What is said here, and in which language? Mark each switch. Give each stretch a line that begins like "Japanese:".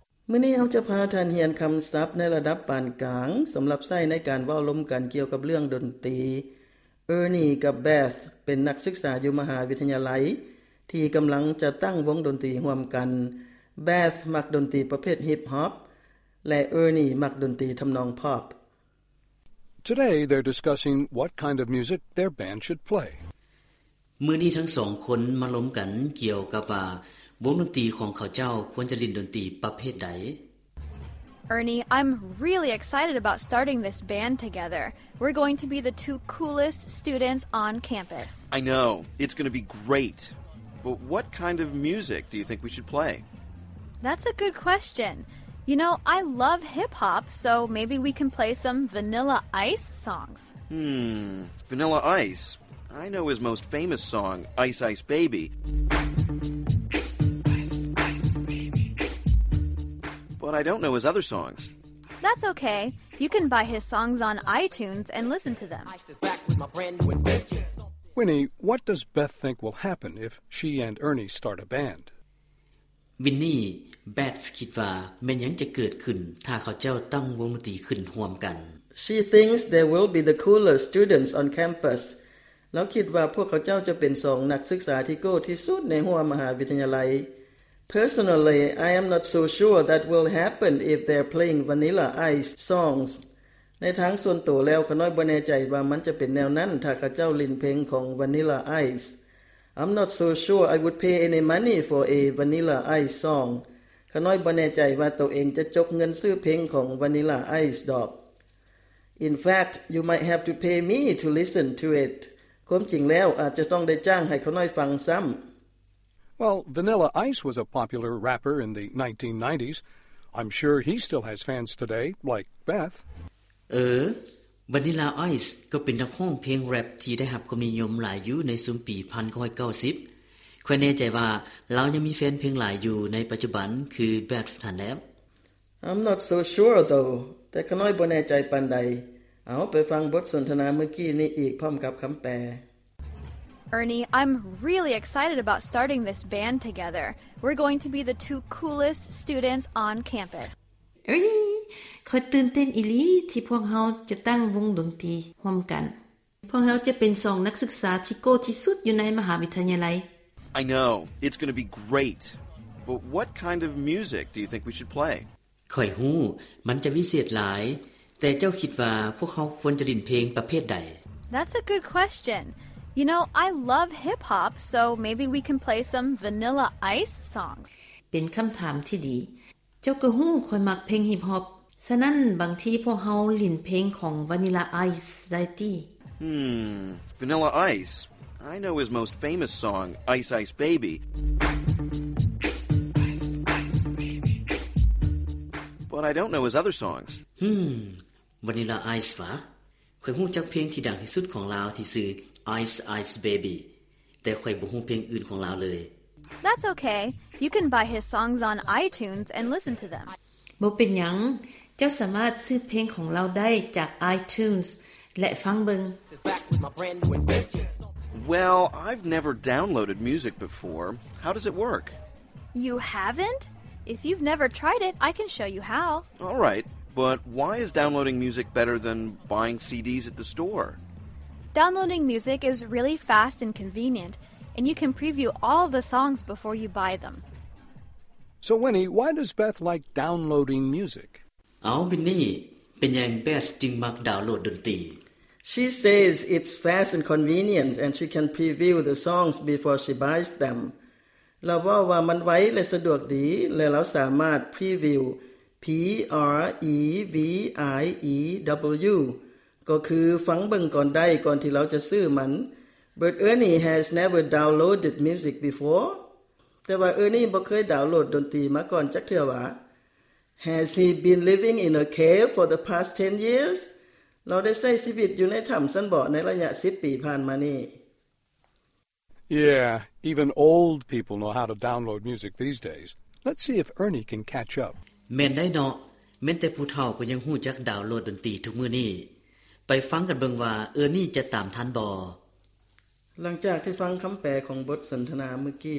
Northeastern Thai: มื้อนี้เฮาจะพาท่านเรียนคำศัพท์ในระดับปานกลางสำหรับใช้ในการเว้าล้มกันเกี่ยวกับเรื่องดนตรีเออร์นี่กับแบธเป็นนักศึกษาอยู่มหาวิทยาลัยที่กำลังจะตั้งวงดนตรีร่วมกันแบธมักดนตรีประเภทฮิปฮอปและเออร์นี่มักดนตรีทำนองพ็อป
English: Today they're discussing what kind of music their band should play
Northeastern Thai: มื้อนี้ทั้ง2คนมาล้มกันเกี่ยวกับว่าวงดนตรีของเขาเจ้าควรจะเล่นดนตรีประเภทใด
English: Ernie, I'm really excited about starting this band together. We're going to be the two coolest students on campus. I know. It's going to be great. But what kind of music do you think we should play? That's a good question. You know, I love hip-hop, so maybe we can play some Vanilla Ice songs. Vanilla Ice? I know his most famous song, Ice Ice Baby. But I don't know his other songs. That's okay. You can buy his songs on iTunes and listen to them. Winnie, what does Beth think will happen if she and Ernie start a band?
Northeastern Thai: Winnie, Beth คิดว่าแม่นหยังจะเกิดขึ้นถ้าเขาเจ้าตั้งวงดนตรีขึ้นร่วมกัน
English: She thinks they will be the coolest students on campus.
Northeastern Thai: แล้วคิดว่าพวกเขาเจ้าจะเป็น2นักศึกษาที่โก้ที่สุดในหัวมหาวิทยาลัย
English: Personally, I am not so sure that will happen if they're playing Vanilla Ice songs.
Northeastern Thai: ในทางส่วนตัวแล้วข้าน้อยบ่แน่ใจว่ามันจะเป็นแนวนั้นถ้าข้าเจ้าเล่นเพลงของ Vanilla Ice.
English: I'm not so sure I would pay any money for a Vanilla Ice song.
Northeastern Thai: ข้าน้อยบ่แน่ใจว่าตัวเองจะจกเงินซื้อเพลงของ Vanilla Ice ดอก
English: In fact, you might have to pay me to listen to it.
Northeastern Thai: ความจริงแล้วอาจจะต้องได้จ้างให้ข้าน้อยฟังซ้ำ
English: Well, Vanilla Ice was a popular rapper in the 1990s. I'm sure he still has fans today, like Beth.
Northeastern Thai: Vanilla Ice ก็เป็นนักร้องเพลงแร็ปที่ได้รับความนิยมหลายอยู่ในช่วงปี1990. ข้อแน่ใจว่าเรายังมีแฟนเพลงหลายอยู่ในปัจจุบันคือ Beth ทันแล้ว
English: I'm not so sure though.
Northeastern Thai: แต่ข้าน้อยบ่แน่ใจปานใดเอาไปฟังบทสนทนาเมื่อกี้นี้อีกพร้อมกับคำแปล
English: Ernie, I'm really excited about starting this band together. We're going to be the two coolest students on campus.
Northeastern Thai: Ernie, ข้อยตื่นเต้นอีหลีที่พวกเราจะตั้งวงดนตรีร่วมกันพวกเราจะเป็น2นักศึกษาที่โก้ที่สุดอยู่ในมหาวิทยาลัย
English: I know. It's going to be great. But what kind of music do you think we should play?
Northeastern Thai: ข้อยฮู้มันจะวิเศษหลายแต่เจ้าคิดว่าพวกเราควรจะเล่นเพลงประเภทใด
English: That's a good question. You know, I love hip-hop, so maybe we can play some Vanilla Ice songs.
Northeastern Thai: เป็นคำถามที่ดีเจ้าก็ฮู้ข้อยมักเพลงฮิปฮอปฉะนั้นบางทีพวกเฮาเล่นเพลงของ Vanilla Ice ได้ติ
English: Vanilla Ice? I know his most famous song, Ice Ice Baby. But I don't know his other songs.
Northeastern Thai: Vanilla Ice, ว่ะข้อยฮู้จักเพลงที่ดังที่สุดของลาวที่ซื้อIce Ice Baby แต่ข้อยบ่ฮู้เพลงอื่นของลาวเลย
English: That's okay. You can buy his songs on iTunes and listen to them.
Northeastern Thai: บ่เป็นหยังเจ้าสามารถซื้อเพลงของลาวได้จาก iTunes และฟังเบิ่ง
English: Well, I've never downloaded music before. How does it work? You haven't? If you've never tried it, I can show you how. All right. But why is downloading music better than buying CDs at the store? Downloading music is really fast and convenient, and you can preview all the songs before you buy them. So Winnie, why does Beth like downloading music? She says it's fast and convenient, and she can preview the songs before she buys them.
Northeastern Thai: เราว่าว่ามันไว้เลยสะดวกดีและเราสามารถ preview P-R-E-V-I-E-W ก็คือฟังเบิ่งก่อนได้ก่อนที่เราจะซื้อมัน
English: But Ernie has never downloaded music before.
Northeastern Thai: แต่ว่า Ernie บ่เคยดาวน์โหลดดนตรีมาก่อนจักเทื่อวะ
English: Has he been living in a cave for the past 10 years?
Northeastern Thai: เราได้ใช้ชีวิตอยู่ในถ้ำสันบ่ในระยะ10ปีผ่านมานี่
English: Yeah, even old people know how to download music these days. Let's see if Ernie can catch up.
Northeastern Thai: แม่นได้เนาะแม้แต่ผู้เฒ่าก็ยังฮู้จักดาวน์โหลดดนตรีทุกมื้อนี้ไปฟังกันเบิ่งว่าเออร์นี่จะตามทันบ่หลังจากที่ฟังคําแปลของบทสนทนาเมื่อกี